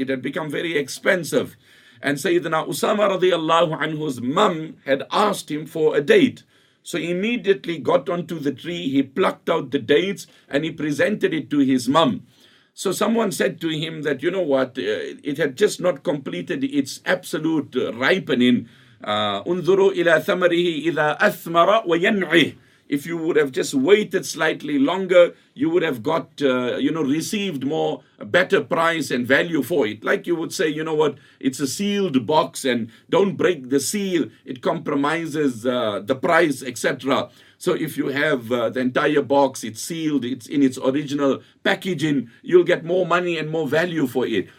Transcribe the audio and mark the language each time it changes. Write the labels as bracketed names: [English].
[English] It had become very expensive. And Sayyidina Usama radiallahu anhu's mum had asked him for a date. So he immediately got onto the tree, he plucked out the dates, and he presented it to his mum. So someone said to him that, you know what, it had just not completed its absolute ripening. [Arabic] انظروا إلى ثمره إذا أثمر وينعه. [English] If you would have just waited slightly longer, you would have got, received more, a better price and value for it. Like you would say, you know what, it's a sealed box and don't break the seal. It compromises the price, etc. So if you have the entire box, it's sealed, it's in its original packaging, you'll get more money and more value for it.